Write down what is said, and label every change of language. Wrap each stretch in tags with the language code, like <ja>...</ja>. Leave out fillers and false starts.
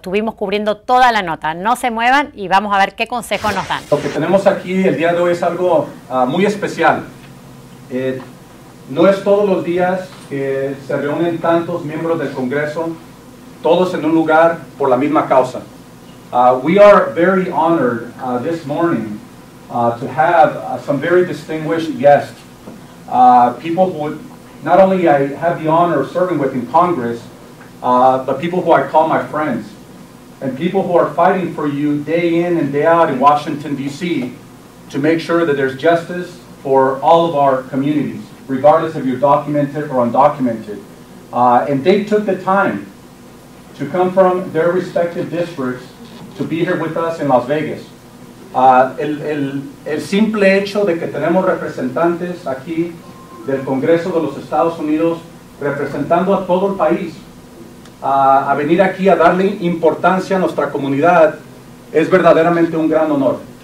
<es>Estuvimos cubriendo toda la nota. No se muevan y vamos a ver qué consejo nos dan. Lo que tenemos aquí el día de hoy es algo muy especial. No es todos los días que se reúnen tantos miembros del Congreso, todos en un lugar por la misma causa.</es> <en>We are very honored this morning to have some very distinguished guests, people who not only I have the honor of serving with in Congress, but people who I call my friends, and people who are fighting for you day in and day out in Washington, D.C., to make sure that there's justice for all of our communities, regardless if you're documented or undocumented. And they took the time to come from their respective districts to be here with us in Las Vegas.</en> <es>El simple hecho de que tenemos representantes aquí del Congreso de los Estados Unidos representando a todo el país, a venir aquí a darle importancia a nuestra comunidad, es verdaderamente un gran honor.</es>